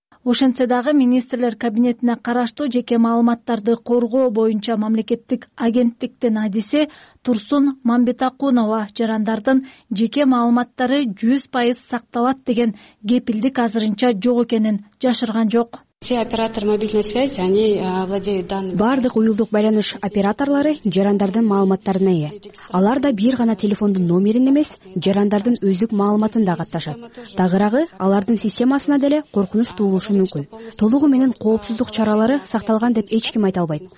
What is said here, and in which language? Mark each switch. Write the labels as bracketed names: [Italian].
[Kyrgyz] Ошентсе дагы министрлер кабинетине караштуу жеке маалыматтарды коргоо боюнча мамлекеттик агенттиктин адиси Турсун Мамбетакунова жарандардын жеке маалыматтары 100% сакталат деген кепилдик азырынча жок экенин жашырган жок. [Russian] Все операторы мобильной связи, они владеют данными. [Kyrgyz] Бардык уюлдук байланыш операторлары жарандардын маалыматтарына ээ. Алар да бир гана телефондун номерин эмес, жарандардын өздүк маалыматын да катташат. Тагырагы, алардын системасына деле коркунуч туулушу мүмкүн. Толугу менен коопсуздук чаралары сакталган деп эч ким айта албайт.